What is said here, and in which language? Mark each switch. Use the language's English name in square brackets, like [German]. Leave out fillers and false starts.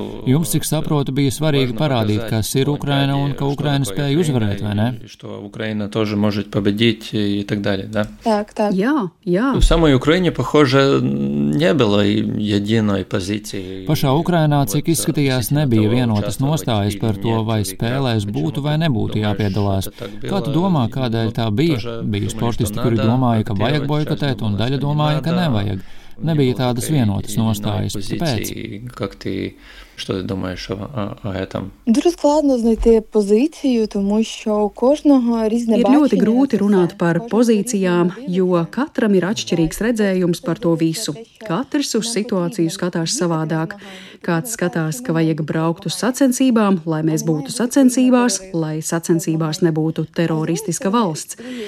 [Latvian] Jums, cik saprotu, bija svarīgi parādīt, kas ir Ukraina un ka Ukraina spēja uzvarēt, vai ne? [Russian] Ukraina тоже может победить и так далее, да? Так, так. Я, я. В самой Украине, похоже, не было единой позиции. [Latvian] Pašā Ukrainā, cik izskatījās, nebija vienotas nostājas par to, vai spēlēs būtu vai nebūtu jāpiedalās. Kā tu domā, kādēļ tā bija? Bija sportisti, kuri domāja, ka vajag boikotēt, un daļa domāja, ka nevajag. Nebija tādas vienotas nostājas. Tāpēc? [Russian] Что ты думаешь о этом? [Ukrainian] Дуже складно знайти позицію, тому що кожного різне бачення. [Latvian] Ļoti grūti runāt par pozīcijām, jo katram ir atšķirīgs redzējums par to visu. Katrs uz situāciju skatās savādāk. Kāds skatās, ka vajag braukt uz sacensībām, lai mēs būtu sacensībās, lai sacensībās nebūtu teroristiska valsts.